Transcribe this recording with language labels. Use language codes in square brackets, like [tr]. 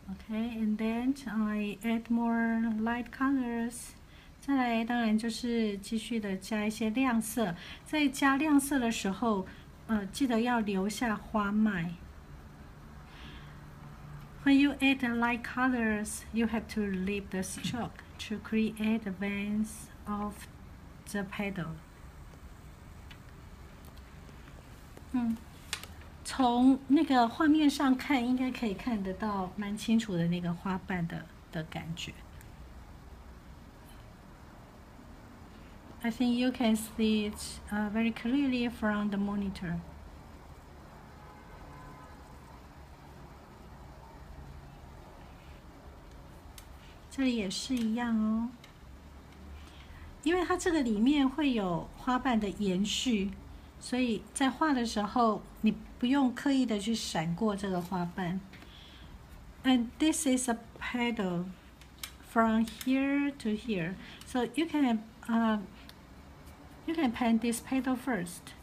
[en] and then I add more light colors. [zh] 再来，当然就是继续的加一些亮色。在加亮色的时候，记得要留下花脉。 [en] When you add light colors, you have to leave the stroke to create the veins of the petal. [zh] 从那个画面上看，应该可以看得到蛮清楚的那个花瓣的感觉。 [en] I think you can see it very clearly from the monitor. [zh] 这里也是一样哦，因为它这个里面会有花瓣的延续，所以在画的时候你不用刻意的去闪过这个花瓣。 [en] And this is a petal from here to here, so you can paint this petal first.